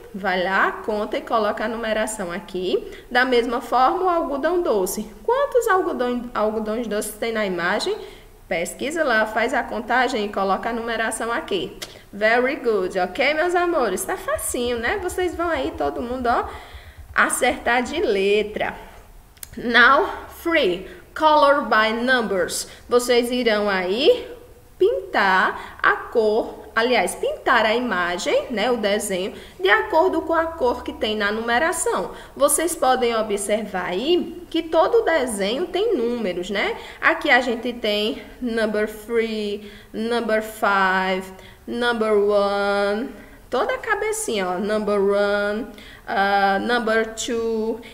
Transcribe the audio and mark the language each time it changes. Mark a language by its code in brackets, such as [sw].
[pt] Vai lá, conta e coloca a numeração aqui. Da mesma forma, o algodão doce. Quantos algodões doces tem na imagem? Pesquisa lá, faz a contagem e coloca a numeração aqui. [en] Very good, [pt] ok, meus amores? Tá facinho, né? Vocês vão aí, todo mundo, ó, acertar de letra. [en] Now, three, color by numbers. [pt] Vocês irão aí pintar a cor, aliás, pintar a imagem, né, o desenho, de acordo com a cor que tem na numeração. Vocês podem observar aí que todo desenho tem números, né? Aqui a gente tem [en] number three, number five, number one, [pt] toda a cabecinha, ó, [en] number one, number two.